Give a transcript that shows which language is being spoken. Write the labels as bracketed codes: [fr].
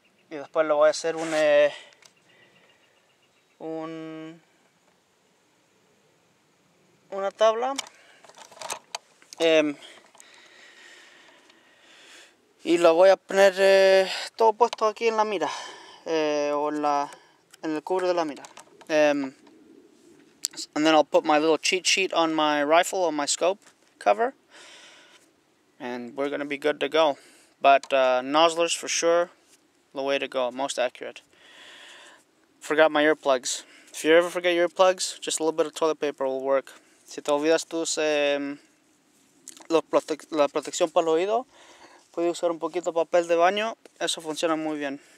[es] Y después lo voy a hacer una tabla. Y lo voy a poner todo puesto aquí en la mira, en el cubre de la mira. [en] And then I'll put my little cheat sheet on my rifle, on my scope cover, and we're going to be good to go. But Noslers for sure, the way to go, most accurate. Forgot my earplugs. If you ever forget your earplugs, just a little bit of toilet paper will work. [es] Si te olvidas tus... la protección para el oído, puede usar un poquito de papel de baño, eso funciona muy bien.